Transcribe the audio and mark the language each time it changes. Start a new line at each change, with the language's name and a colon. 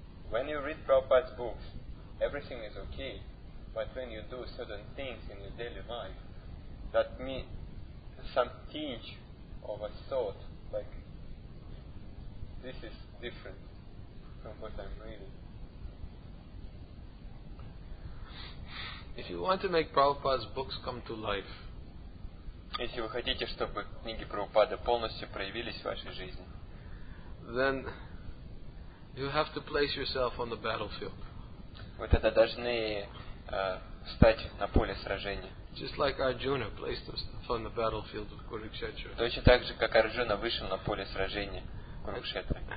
English: When you read Prabhupada's books, everything is okay. But when you do certain things in your daily life, that means some tinge of a thought, like, this is different from what I'm reading. If you want to make Prabhupada's books come to life,
Russian: если вы хотите, чтобы книги Прабхупады полностью проявились в вашей жизни,
English: then you have to place yourself on the battlefield.
Russian: Вы тогда должны встать на поле сражения.
English: Just like Arjuna placed himself on the battlefield of Kurukshetra.
Russian: Точно так же, как Арджуна вышел на поле сражения Курукшетры.